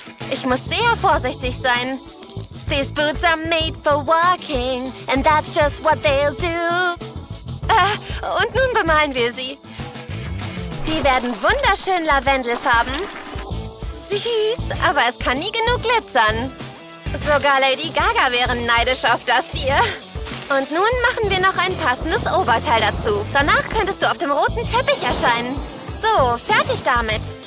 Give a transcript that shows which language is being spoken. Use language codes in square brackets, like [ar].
[de] Ich muss sehr vorsichtig sein. [en] These boots are made for walking, and that's just what they'll do. [de] Und nun bemalen wir sie. Die werden wunderschön lavendelfarben. Süß, aber es kann nie genug glitzern. Sogar Lady Gaga wäre neidisch auf das hier. Und nun machen wir noch ein passendes Oberteil dazu. Danach könntest du auf dem roten Teppich erscheinen. So, fertig damit.